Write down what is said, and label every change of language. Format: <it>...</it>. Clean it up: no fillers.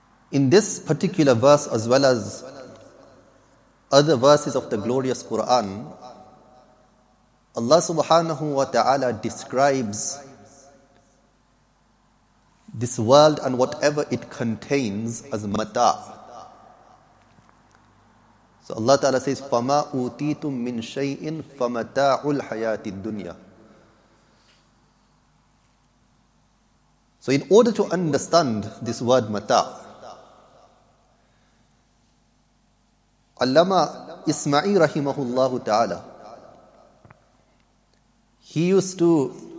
<en>In this particular verse, as well as other verses of the glorious Quran, Allah subhanahu wa ta'ala describes this world and whatever it contains as mata. So Allah ta'ala says,</en> <ar>فَمَا أُوتِيتُم مِّن شَيْءٍ فَمَتَاعُ الْحَيَاةِ الدُّنْيَا.</ar> <en>So in order to understand this word mata', علما إسماعيل رحمه الله تعالى, he used to</en>